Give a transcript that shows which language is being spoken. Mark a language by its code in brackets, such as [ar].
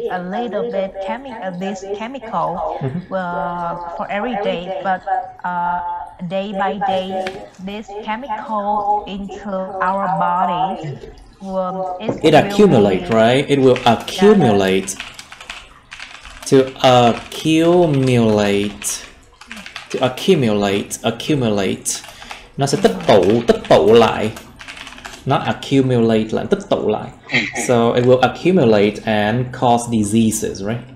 [en] Although if we eat a little bit of this chemical for every day, but day by day this chemical into our body will accumulate. [vi] Nó sẽ tích tụ lại. Nó accumulate là tích tụ lại. [en] So it will accumulate and cause diseases, right?